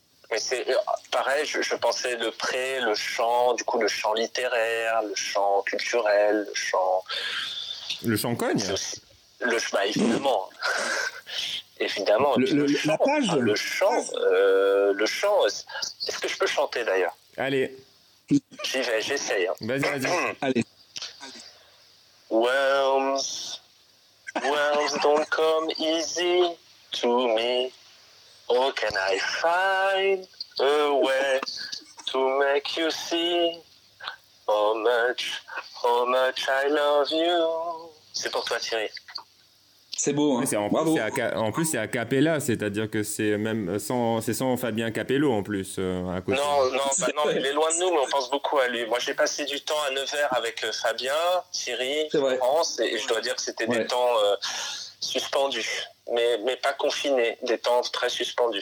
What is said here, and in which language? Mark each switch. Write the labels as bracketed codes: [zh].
[fr] Mais c'est pareil, je pensais de pré, le champ, du coup le champ littéraire, le champ culturel, le champ. Le champ cogne. Le chemin, évidemment. Évidemment. Le chant. Est-ce que je peux chanter d'ailleurs ? Allez. J'y vais, j'essaye. Vas-y. Allez. [en] Worms, worms don't come easy to me. Oh, can I find a way to make you see how much I love you. [fr] C'est pour toi, Thierry. C'est beau, hein. C'est en, plus, c'est en plus, c'est a cappella, c'est-à-dire que c'est même sans Fabien Capello en plus. À côté. Non, il est loin de nous, mais on pense beaucoup à lui. Moi, j'ai passé du temps à Nevers avec Fabien, Thierry, France, et je dois dire que c'était des temps suspendus, mais pas confinés, des temps très suspendus.